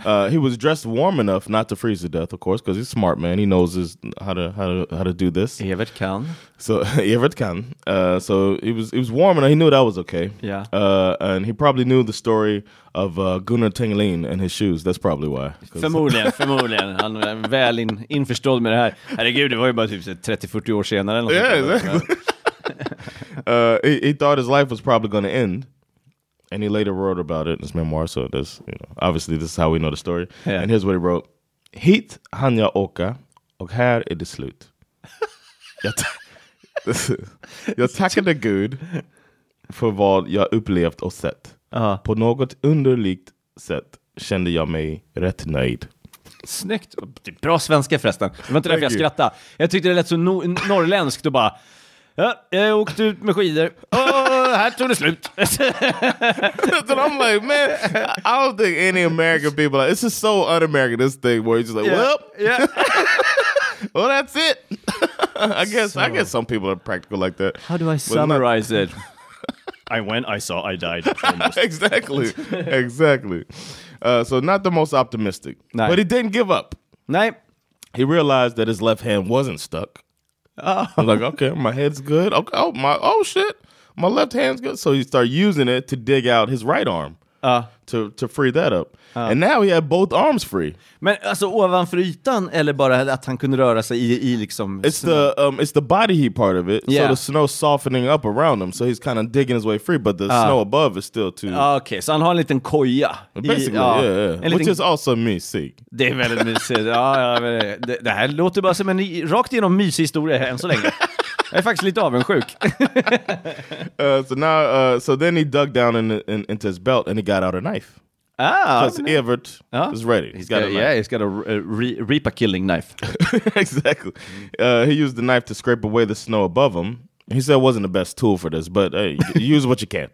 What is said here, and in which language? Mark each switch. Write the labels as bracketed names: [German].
[English] He was dressed warm enough not to freeze to death, of course, because he's a smart man. He knows how to do this. [Swedish] Evert kan. So, Evert kan. [English] So he was warm enough. He knew that was okay. Yeah. And he probably knew the story of Gunnar Tengelin and his shoes. That's probably why. [Swedish] Förmodligen. Han är väl införstådd med det här. Herregud, det var ju bara typ 30-40 år senare. [English] Yeah, exactly. he thought his life was probably going to end. And he later wrote about it in his memoir, so this, you know, obviously this is how we know the story. Yeah. And here's what he wrote. [Swedish] Hit han jag åka, och här är det slut. Jag tackade Gud för vad jag upplevt och sett. På något underligt sätt kände jag mig rätt nöjd. Snyggt. Bra svenska förresten. Det var inte därför jag skrattade. Jag tyckte det lät så norrländskt och bara... Ja, jag åkte ut med skidor. Här tog det slut. [English] Then I'm like, man, I don't think any American people like, this is so un-American, this thing, where you're just like, well, yeah. Well, that's it. I guess some people are practical like that. How do I summarize it? I went, I saw, I died. Exactly. Exactly. So not the most optimistic. Nej. But he didn't give up. [Swedish] Nej. [English] He realized that his left hand wasn't stuck. I was like, okay, my head's good. Okay, my left hand's good. So he started using it to dig out his right arm to free that up. And now he had both arms free. [Swedish] Men alltså ovanför ytan eller bara att han kunde röra sig i liksom... [English] It's the body heat part of it. Yeah. So the snow softening up around him. So he's kind of digging his way free. But the snow above is still too... [Swedish] Okay, så han har en liten koja. [English] Basically, Which is also mysig. [Swedish] Det är väldigt mysigt. Det här låter bara som en rakt igenom mysig historia än så länge. Jag är faktiskt lite avundsjuk. [English] So then he dug down into his belt and he got out a knife. Because Evert is ready. He's got a reaper killing knife. Exactly. He used the knife to scrape away the snow above him. He said it wasn't the best tool for this, but hey, use what you can.